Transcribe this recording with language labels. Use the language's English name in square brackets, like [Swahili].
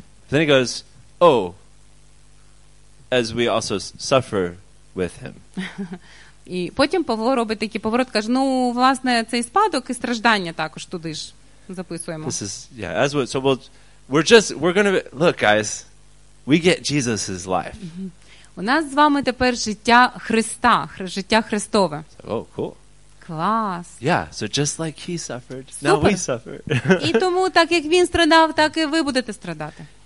[English] Then he goes, oh, as we also suffer with him. [Ukrainian] І потім Павло робить такий поворот, каже, ну, власне, цей спадок і страждання також туди ж записуємо. [English] This is, yeah, as we, so we're gonna, look, guys, we get Jesus's life. [Ukrainian] У нас з вами тепер життя Христа, життя Христове. [English] Oh, cool. [Ukrainian] Клас. [English] Yeah, so just like he suffered, Super. Now we suffer. [Ukrainian] І тому так як він страдав, так і ви будете страдати.